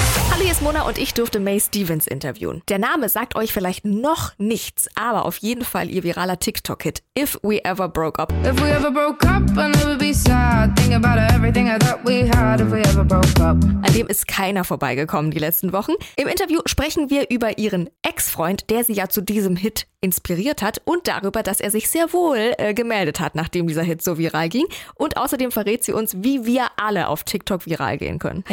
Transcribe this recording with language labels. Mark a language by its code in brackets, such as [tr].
[de] Hallo, hier ist Mona und ich durfte Mae Stevens interviewen. Der Name sagt euch vielleicht noch nichts, aber auf jeden Fall ihr viraler TikTok-Hit If We Ever Broke Up. [en] If we ever broke up, I'd never be sad. Think about everything I thought we had if we ever broke up. [de] An dem ist keiner vorbeigekommen die letzten Wochen. Im Interview sprechen wir über ihren Ex-Freund, der sie ja zu diesem Hit inspiriert hat und darüber, dass er sich sehr wohl gemeldet hat, nachdem dieser Hit so viral ging. Und außerdem verrät sie uns, wie wir alle auf TikTok viral gehen können.